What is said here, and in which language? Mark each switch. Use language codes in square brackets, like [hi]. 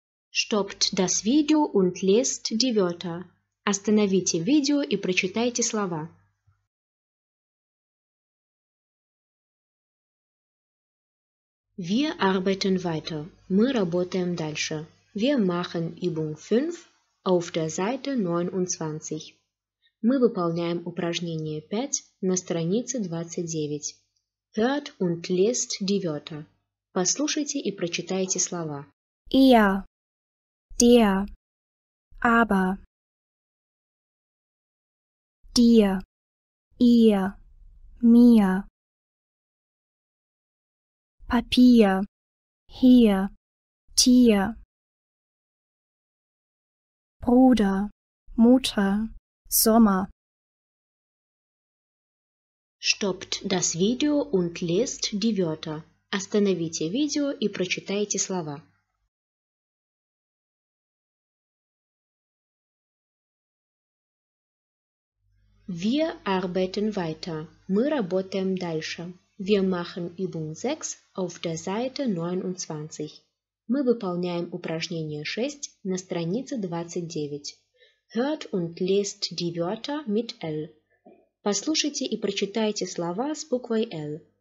[de] Stoppt das Video und lest die Wörter. [ru] Остановите видео и прочитайте слова. [de] Wir arbeiten weiter. [ru] Мы работаем дальше. [de] Wir machen Übung 5. Auf der Seite 29. [ru] Мы выполняем упражнение 5 на странице 29. [de] Hört und lest die Wörter. [ru] Послушайте и прочитайте слова. [de] Ihr, der, aber, dir, ihr, mir, Papier, hier, Tier. Bruder, Mutter, Sommer. Stoppt das Video und lest die Wörter. [ru] Остановите видео и прочитайте слова. [de] Wir arbeiten weiter. [ru] Мы работаем дальше. [de] Wir machen Übung 6 auf der Seite 29. [ru] Мы выполняем упражнение 6 на странице 29. [de] Hört und lest die Wörter mit L. [ru] Послушайте и прочитайте слова с буквой L.